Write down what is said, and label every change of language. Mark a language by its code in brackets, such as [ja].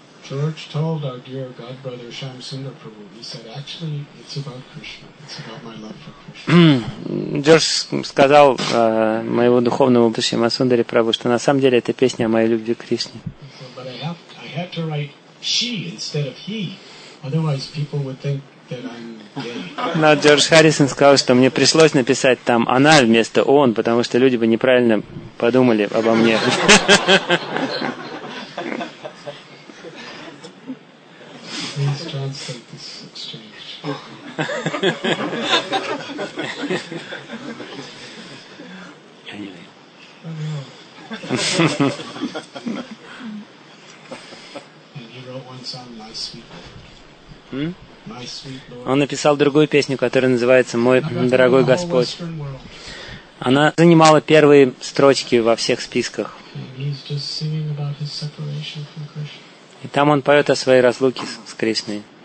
[en] George told our dear godbrother Shyamasundar Prabhu, he said, actually, it's about Krishna. It's about my love for Krishna. [ru] Джордж сказал моему духовному брату Шамасундаре Прабу, что на самом деле эта песня о моей любви к Кришне. [en] But I had to write she instead of he. Otherwise, people would think that I'm gay. [ru] Но Джордж Харрисон сказал, что мне пришлось написать там она вместо он, потому что люди бы неправильно подумали обо мне. [en] Please translate this exchange. And he wrote one song, My Sweet Lord. [ru] Он написал другую песню, которая называется «Мой дорогой Господь». Она занимала первые строчки во всех списках. И там он поет о своей разлуке с Кришной.